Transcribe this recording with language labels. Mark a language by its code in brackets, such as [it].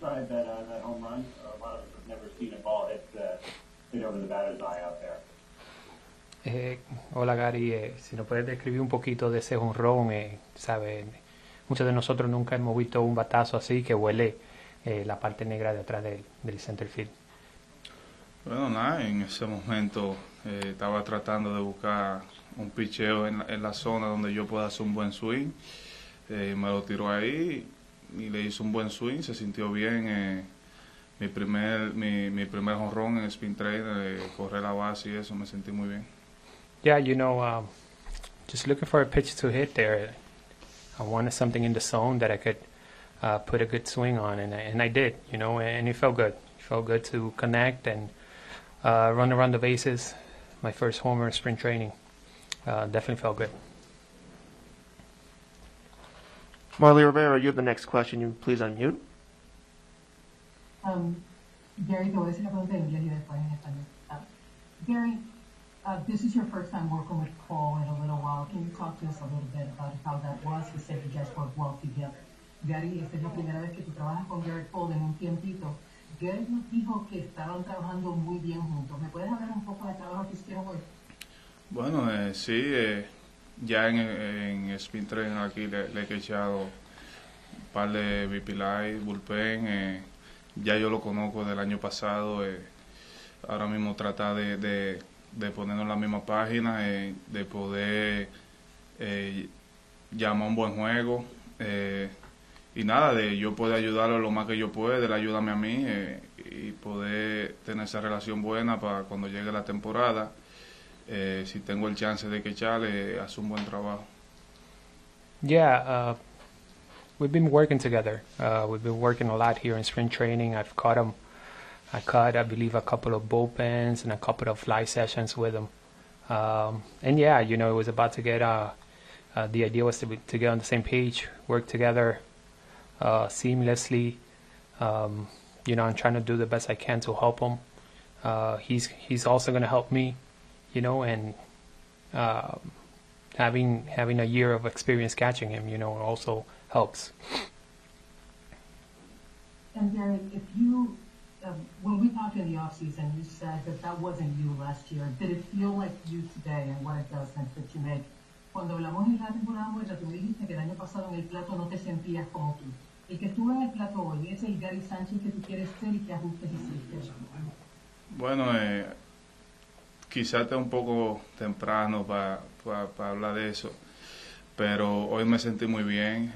[en] That home run, a lot of us have never seen a ball hit over the batter's eye out there. [es] Hola Gary, si nos puedes describir un poquito de ese jonrón, ¿sabes? Muchos de nosotros nunca hemos visto un batazo así que huele la parte negra de atrás del center field. Bueno, nada, en ese momento estaba tratando de buscar un picheo en la zona donde yo pueda hacer un buen swing. Me lo tiró ahí y le hizo un buen swing, se sintió bien. Mi primer jonrón en spin trade, correr la base y eso, me sentí muy bien. [en] Yeah, you know, just looking for a pitch to hit there. I wanted something in the zone that I could put a good swing on, and I did, you know, and it felt good. It felt good to connect and run around the bases. My first homer sprint training. Definitely felt good. Marley Rivera, you have the next question. You please unmute. [es] Gary, te voy a decir una pregunta y yo quiero responder. [en] This is your first time working with Paul in a little while. Can you talk to us a little bit about how that was? You said you guys worked well together. [es] Gary, esta es la primera vez que tú trabajas con Gary Paul en un tiempito. Gary nos dijo que estaban trabajando muy bien juntos. ¿Me puedes hablar un poco del trabajo que hicieron hoy? Bueno, sí. Ya en spin training aquí le he echado un par de BP Light, bullpen. Ya yo lo conozco del año pasado. Ahora mismo trata de ponernos en la misma página, de poder llamar un buen juego. Y nada, de yo poder ayudarlo lo más que yo pueda, él ayúdame a mí y poder tener esa relación buena para cuando llegue la temporada. Si tengo el chance de que echarle, hace un buen trabajo. [en] Yeah, we've been working together. We've been working a lot here in spring training. I've caught him. I caught, I believe, a couple of bullpens and a couple of fly sessions with him. And yeah, you know, it was about to get, the idea was to get on the same page, work together seamlessly. You know, I'm trying to do the best I can to help him. He's also going to help me, you know, and having a year of experience catching him, you know, also helps. And Gary, when we talked in the offseason, you said that wasn't you last year. Did it feel like you today and what adjustments did you make? [es] Cuando hablamos en la temporada muerta, tú me dijiste que el año pasado en el plato no te sentías como tú. El que estuvo en el plato hoy es el Gary Sanchez que tú quieres ser y que ajustes hiciste. Bueno, quizás está un poco temprano para hablar de eso, pero hoy me sentí muy bien.